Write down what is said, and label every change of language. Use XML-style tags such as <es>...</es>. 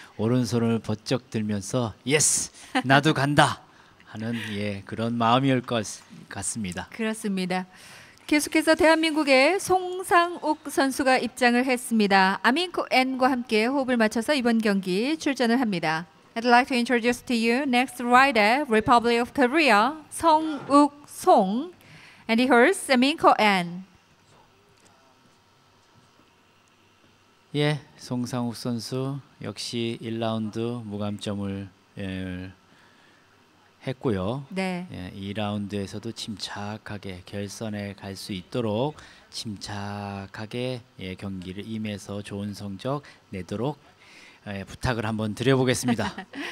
<ko>오른손을 번쩍 들면서 예스, 나도 간다 하는 예, 그런 마음이 올것 같습니다. 그렇습니다. 계속해서 대한민국의 송상욱 선수가 입장을 했습니다. 아민코 앤과 함께 호흡을 맞춰서 이번 경기 출전을 합니다.</ko> <en>I'd like to introduce to you next rider, Republic of Korea, 송욱 송, and he holds Aminko Ahn.</en> <ko>예, 송상욱 선수 역시 1라운드 무감점을 했고요. 네. 2라운드에서도 침착하게 결선에 갈 수 있도록 침착하게 경기를 임해서 좋은 성적 내도록 부탁을 한번 드려보겠습니다.</ko>